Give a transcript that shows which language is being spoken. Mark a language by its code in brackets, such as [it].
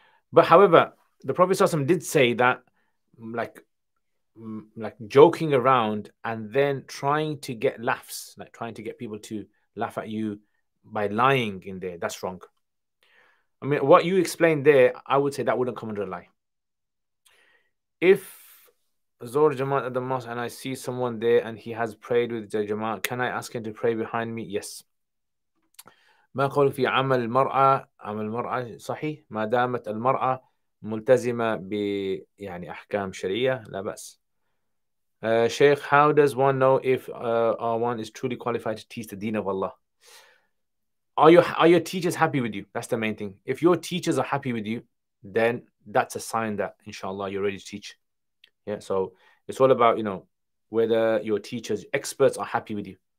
[en] But however, the Prophet ﷺ did say that, like joking around and then trying to get laughs, like trying to get people to laugh at you by lying in there, that's wrong. I mean, what you explained there, I would say that wouldn't come under a lie. If Zohr Jamaat at the mosque and I see someone there and he has prayed with the Jamaat, can I ask him to pray behind me? Yes. [ar] ما قول في عمل المرأة عمل المرأة صحيح ما دامت المرأة ملتزمة ب يعني أحكام شرعية لا بأس. [en] Sheikh, how does one know if one is truly qualified to teach the Deen of Allah? Are your teachers happy with you? That's the main thing. If your teachers are happy with you, then that's a sign that inshallah you're ready to teach. Yeah. So it's all about, you know, whether your teachers, experts, are happy with you.